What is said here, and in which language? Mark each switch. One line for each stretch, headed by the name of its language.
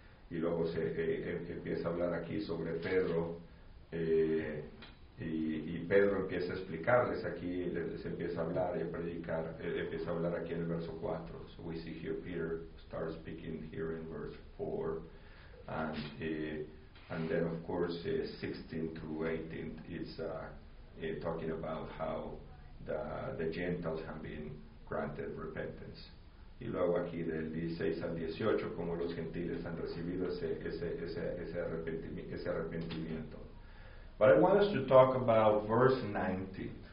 Spanish: Y luego se empieza a hablar aquí sobre Pedro, y Pedro empieza a explicarles aquí, les empieza a hablar y a predicar, empieza a hablar aquí en el verso 4.
English: So we see here Peter starts speaking here in verse 4, and then of course 16 through 18 is talking about how the Gentiles have been granted repentance.
Spanish: Y luego aquí del 16 al 18, como los gentiles han recibido ese arrepentimiento.
English: But I want us to talk about verse 19.